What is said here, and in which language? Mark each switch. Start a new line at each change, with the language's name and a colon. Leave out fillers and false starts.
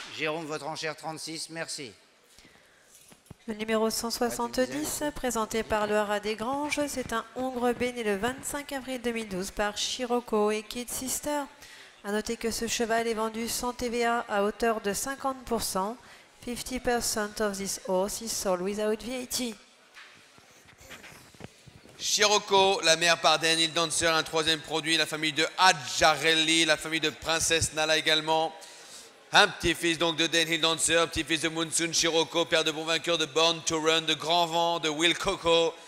French: Jérôme, votre enchère 36, merci. Le numéro 170, présenté par Loara Desgranges, c'est un Hongre béni le 25 avril 2012 par Chiroko et Kid Sister. A noter que ce cheval est vendu sans TVA à hauteur de 50%.
English: 50% of this horse is sold without VAT.
French: Chiroko, la mère par Daniel Dancer, un troisième produit, la famille de Adjarelli, la famille de Princesse Nala également. Un petit-fils donc de Dan Hill Dancer, petit-fils de Monsoon Chiroko, père de bon vainqueur de Born to Run, de Grand Vent, de Will Coco.